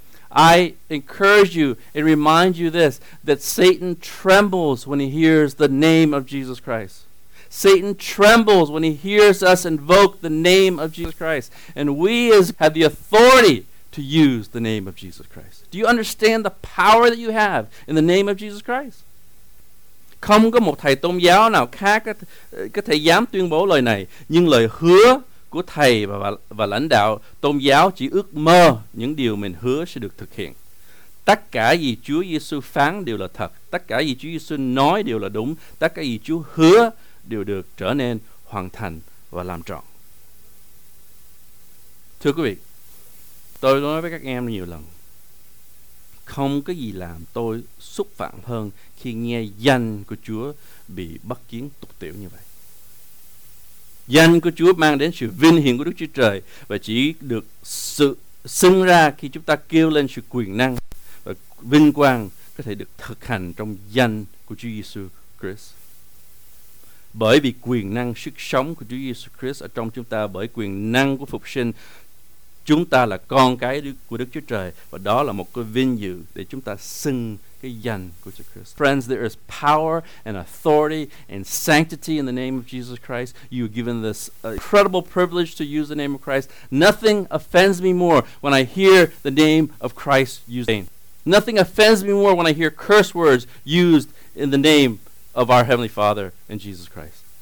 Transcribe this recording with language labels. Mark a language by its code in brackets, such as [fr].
[en] I encourage you and remind you this, that Satan trembles when he hears the name of Jesus Christ. Satan trembles when he hears us invoke the name of Jesus Christ. And we have the authority to use the name of Jesus Christ. Do you understand the power that you have in the name of Jesus Christ? [vi] Không có một thầy tôn giáo nào khác có thể dám tuyên bố lời này, nhưng lời hứa của thầy và lãnh đạo tôn giáo chỉ ước mơ những điều mình hứa sẽ được thực hiện. Tất cả gì Chúa Giêsu phán đều là thật, tất cả gì Chúa Giêsu nói đều là đúng, tất cả gì Chúa hứa đều được trở nên hoàn thành và làm trọn. Thưa quý vị, tôi nói với các em nhiều lần, không có gì làm tôi xúc phạm hơn khi nghe danh của Chúa bị bất kính tục tiểu như vậy. Danh của Chúa mang đến sự vinh hiển của Đức Chúa Trời, và chỉ được sự xưng ra khi chúng ta kêu lên sự quyền năng và vinh quang có thể được thực hành trong danh của Chúa Jesus Christ. Bởi vì quyền năng sức sống của Chúa Jesus Christ ở trong chúng ta, bởi quyền năng của phục sinh, chúng ta là con cái của Đức Chúa Trời, và đó là một cái vinh dự để chúng ta xưng cái danh của Jesus Christ. [en] Friends, there is power and authority and sanctity in the name of Jesus Christ. You are given this incredible privilege to use the name of Christ. Nothing offends me more when I hear the name of Christ used. Nothing offends me more when I hear curse words used in the name of our Heavenly Father and Jesus Christ.